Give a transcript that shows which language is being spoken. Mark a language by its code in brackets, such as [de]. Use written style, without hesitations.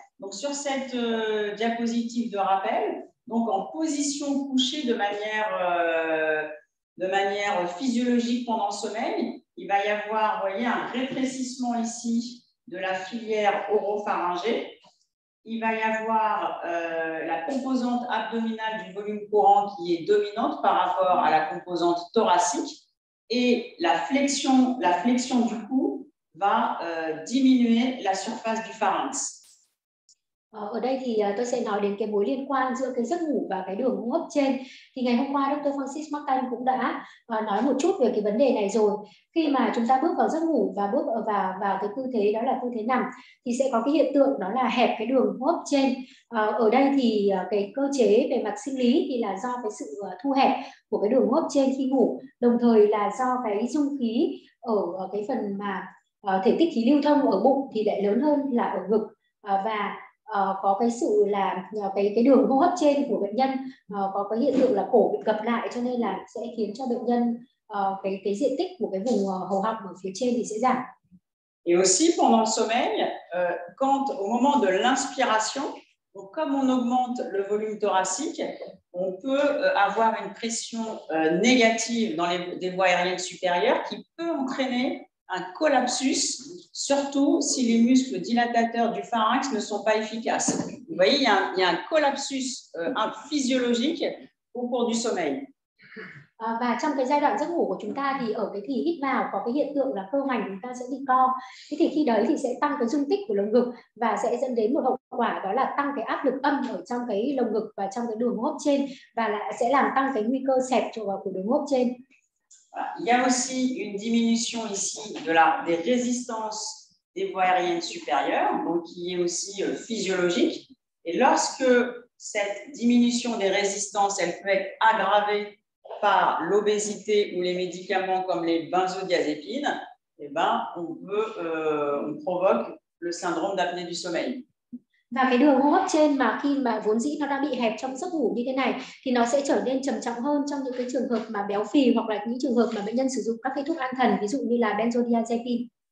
[fr] Donc, sur cette diapositive de rappel, donc en position couchée de manière physiologique pendant le sommeil, il va y avoir, vous voyez, un rétrécissement ici de la filière oropharyngée. Il va y avoir la composante abdominale du volume courant qui est dominante par rapport à la composante thoracique et la flexion du cou va diminuer la surface du pharynx. [vi] Ở đây thì tôi sẽ nói đến cái mối liên quan giữa cái giấc ngủ và cái đường hô hấp trên. Thì ngày hôm qua Dr. Francis Martin cũng đã nói một chút về cái vấn đề này rồi. Khi mà chúng ta bước vào giấc ngủ và bước vào cái tư thế đó là tư thế nằm thì sẽ có cái hiện tượng đó là hẹp cái đường hô hấp trên. Ở đây thì cái cơ chế về mặt sinh lý thì là do cái sự thu hẹp của cái đường hô hấp trên khi ngủ, đồng thời là do cái dung khí ở cái phần mà thể tích khí lưu thông ở bụng thì lại lớn hơn là ở ngực, và có cái sự là cái đường hô hấp trên của bệnh nhân có cái hiện tượng là cổ bị gập lại, cho nên là sẽ khiến cho bệnh nhân cái diện tích của cái vùng hầu họng ở phía trên thì sẽ giảm. [fr] Et aussi pendant le sommeil, quand au moment de l'inspiration, donc comme on augmente le volume thoracique, on peut avoir une pression négative dans les des voies aériennes supérieures qui peut entraîner un collapsus, surtout si les muscles dilatateurs du pharynx ne sont pas efficaces. Vous voyez, il y a un collapsus physiologique au cours du sommeil. [vi] Và trong cái giai đoạn giấc ngủ của chúng ta thì ở cái thì hít vào có cái hiện tượng là cơ hoành chúng ta sẽ bị co. Thế thì khi đấy thì sẽ tăng cái dung tích của lồng ngực và sẽ dẫn đến một hậu quả đó là tăng cái áp lực âm ở trong cái lồng ngực và trong cái đường hô hấp trên và là sẽ làm tăng cái nguy cơ xẹp chỗ vào của đường hô hấp trên. [fr] Il y a aussi une diminution ici des résistances des voies aériennes supérieures, donc qui est aussi physiologique. Et lorsque cette diminution des résistances, elle peut être aggravée par l'obésité ou les médicaments comme les benzodiazépines, eh ben, on provoque le syndrome d'apnée du sommeil. [vi] Và cái đường hô hấp trên mà khi mà vốn dĩ nó đã bị hẹp trong giấc ngủ như thế này thì nó sẽ trở nên trầm trọng hơn trong những cái trường hợp mà béo phì hoặc là những trường hợp mà bệnh nhân sử dụng các cái thuốc an thần, ví dụ như là benzodiazepine.